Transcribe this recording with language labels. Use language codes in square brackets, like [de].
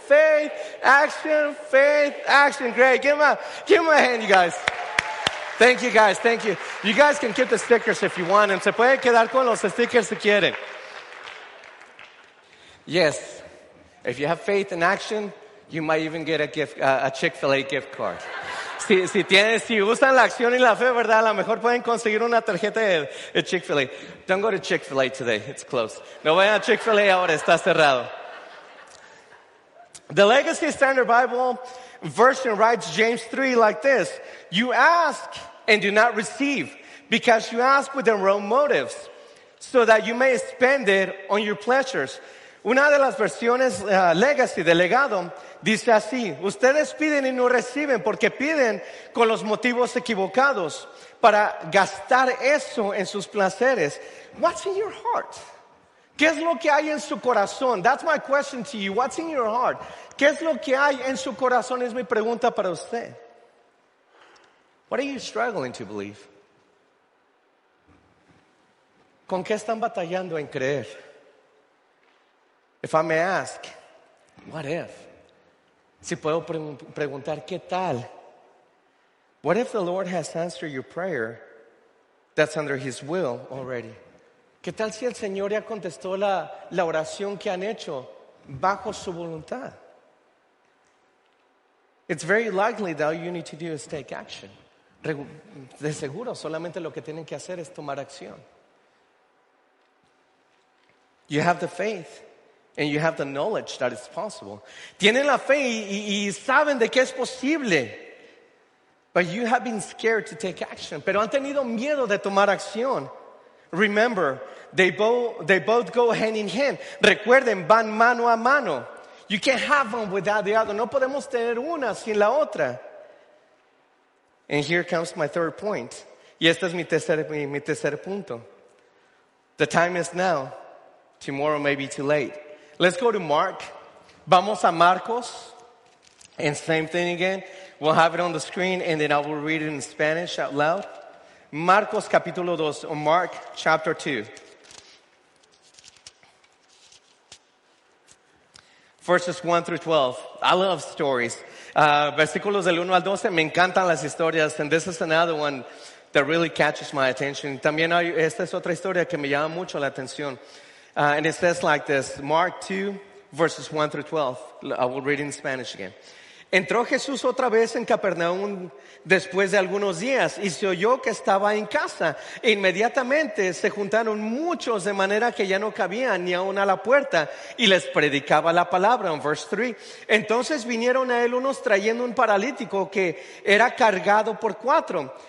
[en] Faith, action. Faith, action. Great. Give him a hand, you guys. Thank you, guys. Thank you. You guys can keep the stickers if you want them. [es] Se pueden quedar con los stickers si quieren. [en] Yes. If you have faith in action, you might even get a Chick-fil-A gift card. [es] Si usan la acción y la fe, ¿verdad? A lo mejor pueden conseguir una tarjeta de Chick-fil-A. [en] Don't go to Chick-fil-A today. It's closed. [es] No vayan a Chick-fil-A ahora. Está cerrado. [en] The Legacy Standard Bible version writes James 3 like this. You ask and do not receive because you ask with the wrong motives so that you may spend it on your pleasures. [es] Una de las versiones Legacy, de legado, dice así. Ustedes piden y no reciben porque piden con los motivos equivocados para gastar eso en sus placeres. [en] What's in your heart? [es] ¿Qué es lo que hay en su corazón? [en] That's my question to you. What's in your heart? [es] ¿Qué es lo que hay en su corazón? Es mi pregunta para usted. [en] What are you struggling to believe? [es] ¿Con qué están batallando en creer? [en] If I may ask, what if? [es] Si puedo preguntar, ¿qué tal? [en] What if the Lord has answered your prayer that's under His will already? [es] ¿Qué tal si el Señor ya contestó la oración que han hecho bajo su voluntad? [en] It's very likely that all you need to do is take action. [es] De seguro, solamente lo que tienen que hacer es tomar acción. [en] You have the faith. And you have the knowledge that it's possible. [es] Tienen la fe y saben de que es posible. [en] But you have been scared to take action. [es] Pero han tenido miedo de tomar acción. [en] Remember, they both go hand in hand. [es] Recuerden, van mano a mano. [en] You can't have one without the other. [es] No podemos tener una sin la otra. [en] And here comes my third point. [es] Y este es mi tercer punto. [en] The time is now. Tomorrow may be too late. Let's go to Mark. [es] Vamos a Marcos. [en] And same thing again. We'll have it on the screen and then I will read it in Spanish out loud. [es] Marcos capítulo 2 [en] or Mark chapter 2. Verses 1 through 12. I love stories. [es] Versículos del 1 al 12. Me encantan las historias. [en] And this is another one that really catches my attention. [es] También esta es otra historia que me llama mucho la atención. [en] And it says like this, Mark 2, verses 1 through 12. I will read in Spanish again. [es] Entró Jesús otra vez en Capernaum después de algunos días y se oyó que estaba en casa. Inmediatamente se juntaron muchos de manera que ya no cabían ni aun a la puerta y les predicaba la palabra. En verse 3, entonces vinieron a él unos trayendo un paralítico que era cargado por cuatro.